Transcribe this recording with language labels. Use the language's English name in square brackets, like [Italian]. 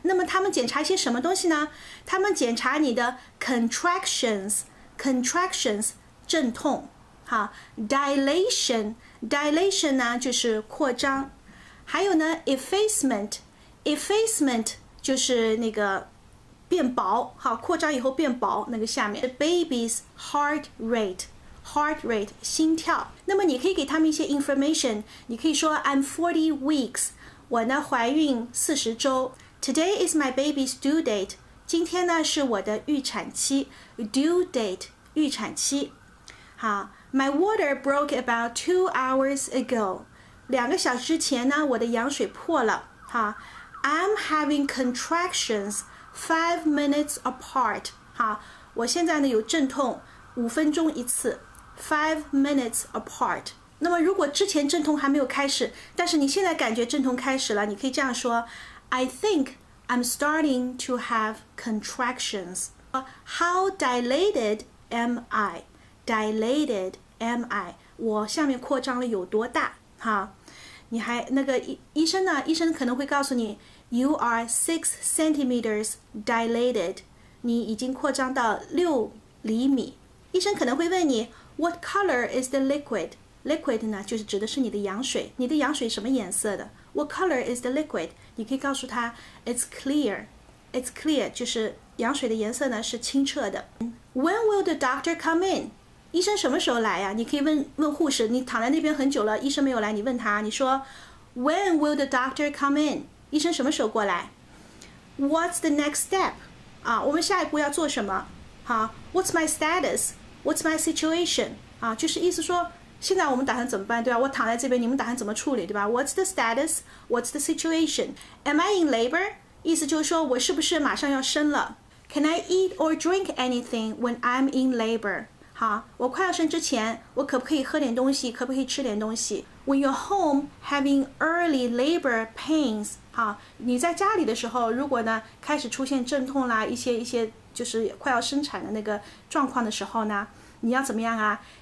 [Chinese] 那么他们检查一些什么东西呢？他们检查你的 contractions 阵痛，好， dilation 呢就是扩张，还有呢 effacement 就是那个变薄，好，扩张以后变薄，那个下面 baby's heart rate 心跳。那么你可以给他们一些 information， 你可以说 [English] I'm 40 weeks， [Chinese] 我呢怀孕40周。 [English] Today is my baby's due date， [Chinese] 今天呢是我的预产期， due date 预产期。好， [English] My water broke about 2 hours ago， [Chinese] 两个小时之前呢我的羊水破了。好， [English] I'm having contractions 5 minutes apart， [Chinese] 好，我现在呢有阵痛5分钟一次， [English] 5 minutes apart。 [Chinese] 那么如果之前阵痛还没有开始，但是你现在感觉阵痛开始了，你可以这样说， [English] I think I'm starting to have contractions。 How dilated am I? Dilated am I? [Chinese] 我下面扩张了有多大？你还那个医生呢，医生可能会告诉你 [English] You are 6 centimeters dilated， [Chinese] 你已经扩张到6厘米。医生可能会问你 [English] What color is the liquid? [Chinese] Liquid 呢就是指的是你的羊水，你的羊水什么颜色的？ [English] What color is the liquid? [Chinese] 你可以告诉他 [English] It's clear [Chinese] 就是羊水的颜色呢是清澈的。 [English] When will the doctor come in? [Chinese] 医生什么时候来呀？你可以问护士，你躺在那边很久了，医生没有来，你问他，你说 [English] When will the doctor come in? [Chinese] 医生什么时候过来？ [English] What's the next step? [Chinese] 我们下一步要做什么？ [English] What's my status? What's my situation? [Chinese] 就是意思说现在我们打算怎么办，对吧？我躺在这边，你们打算怎么处理，对吧？ [English] What's the status? What's the situation? Am I in labor? [Chinese] 意思就是说我是不是马上要生了。 [English] Can I eat or drink anything when I'm in labor? [Chinese] 我快要生之前我可不可以喝点东西，可不可以吃点东西？ [English] When you're home having early labor pains， [Chinese] 你在家里的时候如果呢开始出现阵痛啦，一些就是快要生产的那个状况的时候呢，你要怎么样啊？